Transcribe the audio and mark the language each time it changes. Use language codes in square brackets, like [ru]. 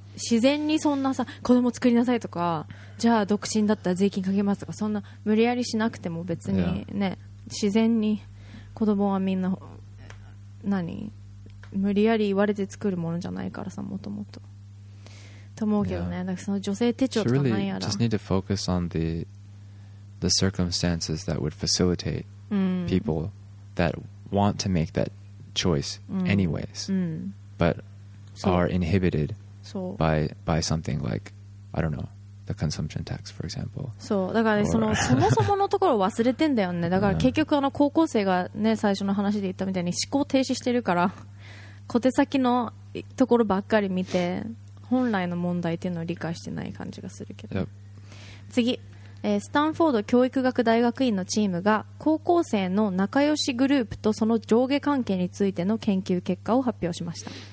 [ja] 自然にそんなさ子供作りなさいとか、じゃあ独身だったら税金かけますとか、そんな無理やりしなくても別にね、yeah. 自然に子供はみんな何無理やり言われて作るものじゃないからさ、もともとと思うけどね、 [en] yeah. [ja] だからその女性手帳とかなんやら、 [en] really、just need to focus on the circumstances that would facilitate、 [ja] うん、 [en] people that want to make that choice anyways、 [ja] うんうん、 [en] but are inhibited by something like I don't know the consumption tax for example。 [ja] そうだから、ね、そのそもそものところ忘れてんだよね。だから結局あの高校生がね最初の話で言ったみたいに思考停止してるから小手先のところばっかり見て本来の問題っていうのを理解してない感じがするけど、 [en] yep. [ja] 次、スタンフォード教育学大学院のチームが高校生の仲良しグループとその上下関係についての研究結果を発表しました。